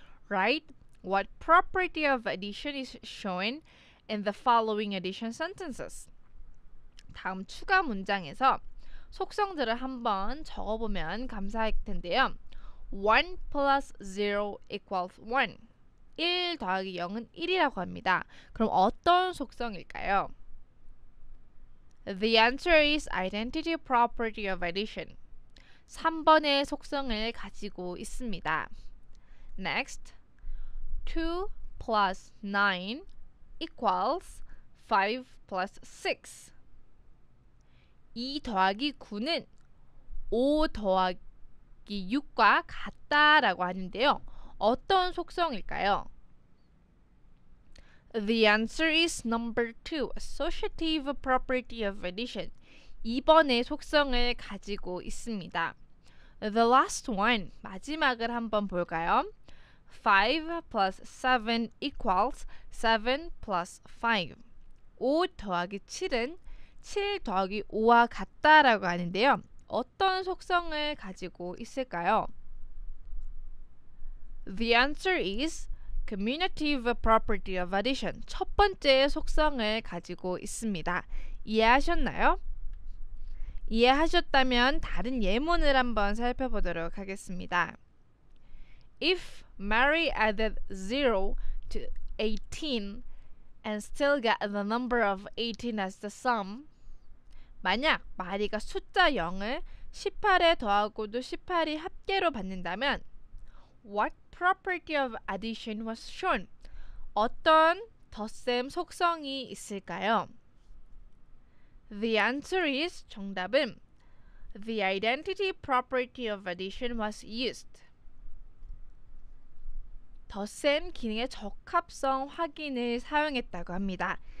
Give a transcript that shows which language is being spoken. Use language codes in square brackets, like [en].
[en] Write what property of addition is shown in the following addition sentences. [ko] 다음 추가 문장에서 속성들을 한번 적어보면 감사할 텐데요. [en] 1 plus 0 equals 1. [ko] 1 더하기 0은 1이라고 합니다. 그럼 어떤 속성일까요? [en] The answer is identity property of addition. [ko] 3번의 속성을 가지고 있습니다. [en] Next, 2 plus 9 equals 5 plus 6. [ko] 2 더하기 9는 5 더하기 6과 같다라고 하는데요. 어떤 속성일까요? [en] The answer is number 2, associative property of addition. [ko] 2번의 속성을 가지고 있습니다. [en] The last one, [ko] 마지막을 한번 볼까요? [en] 5 plus 7 equals 7 plus 5. [ko] 5 더하기 7은 7 더하기 5와 같다라고 하는데요. 어떤 속성을 가지고 있을까요? [en] The answer is commutative property of addition. [ko] 첫 번째 속성을 가지고 있습니다. 이해하셨나요? 이해하셨다면 다른 예문을 한번 살펴보도록 하겠습니다. [en] If Mary added 0 to 18 and still got the number of 18 as the sum, [ko] 만약 마리가 숫자 0을 18에 더하고도 18이 합계로 받는다면 [en] What property of addition was shown? [ko] 어떤 덧셈 속성이 있을까요? [en] The answer is [ko] 정답은 [en] The identity property of addition was used. [ko] 덧셈 기능의 적합성 확인을 사용했다고 합니다.